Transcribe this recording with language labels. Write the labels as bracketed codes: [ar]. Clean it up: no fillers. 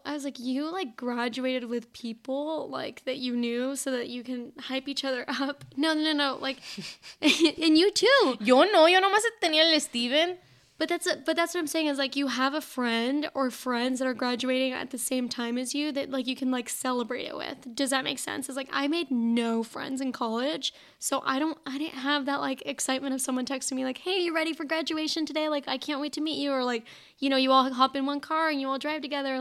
[en] I was like, you like graduated with people like that you knew so that you can hype each other up. No. Like, and you too. [es] Yo no, yo nomás tenía el Steven. [en] But that's what I'm saying is like you have a friend or friends that are graduating at the same time as you that like you can like celebrate it with. Does that make sense? It's like I made no friends in college, so I didn't have that like excitement of someone texting me like, hey, you ready for graduation today? Like I can't wait to meet you, or like, you know, you all hop in one car and you all drive together.